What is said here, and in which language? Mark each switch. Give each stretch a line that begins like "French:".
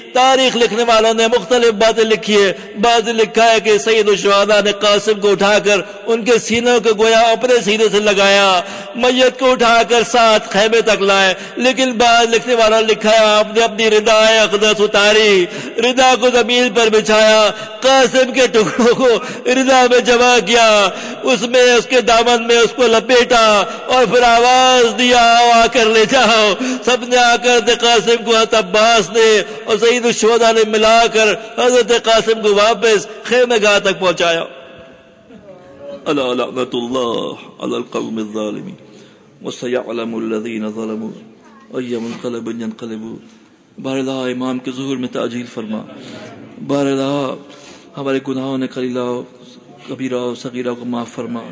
Urdu: تاریخ لکھنے والوں نے مختلف باتیں لکھی ہے، بعض لکھا ہے کہ سید الشہداء نے قاسم کو اٹھا کر ان کے سینوں کو گویا اپنے سینے سے لگایا، میت کو اٹھا کر ساتھ خیمے تک لائے، لیکن بعض لکھنے والا لکھا ہے آپ نے اپنی رضا اقدس اتاری، رضا کو زمین پر بچھایا، قاسم کے ٹکڑوں کو رضا میں جمع کیا، اس میں اس کے دامن میں اس کو لپیٹا اور پھر آواز دیا آؤ کر لے جاؤ. سب نے آ کر قاسم کو حضرت عباس نے اور سید الشہداء نے ملا کر حضرت قاسم کو واپس خیمہ گاہ تک پہنچایا.
Arabic: الا لعنة الله على القوم الظالمين وسيعلم الذين ظلموا اي منقلب ينقلبون.
Urdu: بار الہ امام کے ظہور میں تعجیل فرما، بار الہ ہمارے گناہوں نے کلیلہ کبیرہ صغیرہ کو معاف فرما.